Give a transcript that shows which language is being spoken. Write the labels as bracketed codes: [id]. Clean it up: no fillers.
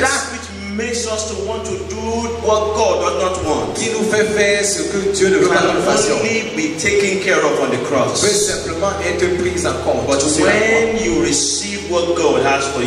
[en] That which makes us to want to do what God does not want. [fr] Qui nous fait faire ce que Dieu ne veut pas nous faire. [en] Can only be taken care of on the cross. [fr] Peut simplement être pris en compte. [en] But when you receive what God has for you,